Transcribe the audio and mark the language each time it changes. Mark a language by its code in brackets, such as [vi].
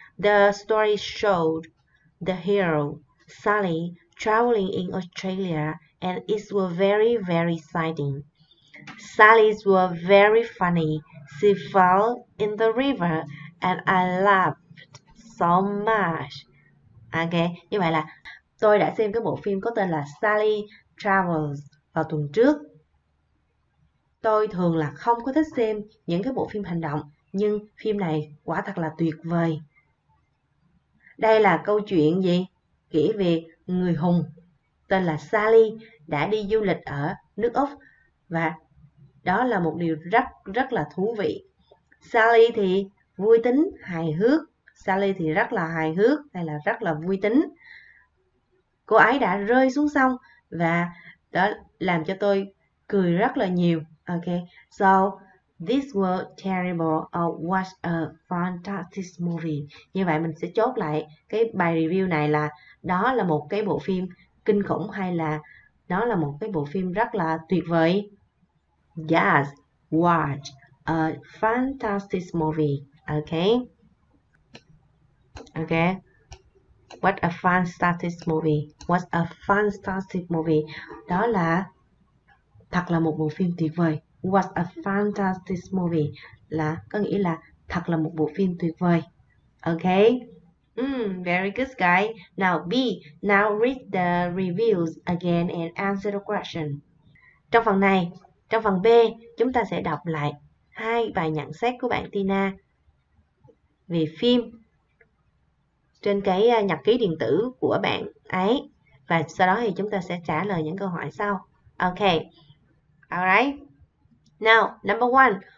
[en] The story showed the hero Sally traveling in Australia, and it was very, very exciting. Sally's were very funny. She fell in the river and I laughed so much. [vi] Okay, như vậy là tôi đã xem cái bộ phim có tên là Sally Travels vào tuần trước. Tôi thường là không có thích xem những cái bộ phim hành động, nhưng phim này quả thật là tuyệt vời. Đây là câu chuyện gì? Kể về người hùng tên là Sally đã đi du lịch ở nước Úc và đó là một điều rất rất là thú vị. Sally thì vui tính, hài hước. Sally thì rất là hài hước hay là rất là vui tính. Cô ấy đã rơi xuống sông và đã làm cho tôi cười rất là nhiều. [en] Okay. So, this was terrible or was a fantastic movie. [vi] Như vậy mình sẽ chốt lại cái bài review này là đó là một cái bộ phim kinh khủng hay là đó là một cái bộ phim rất là tuyệt vời. [en] Yes, watch a fantastic movie, okay? Okay, what a fantastic movie, what a fantastic movie. [vi] Đó là, thật là một bộ phim tuyệt vời. [en] What a fantastic movie [vi] là, có nghĩa là, thật là một bộ phim tuyệt vời. [en] Okay, very good guy. Now B, now read the reviews again and answer the question. [vi] Trong phần này, trong phần B, chúng ta sẽ đọc lại hai bài nhận xét của bạn Tina về phim trên cái nhật ký điện tử của bạn ấy. Và sau đó thì chúng ta sẽ trả lời những câu hỏi sau. [en] Ok. Alright. Now, number one.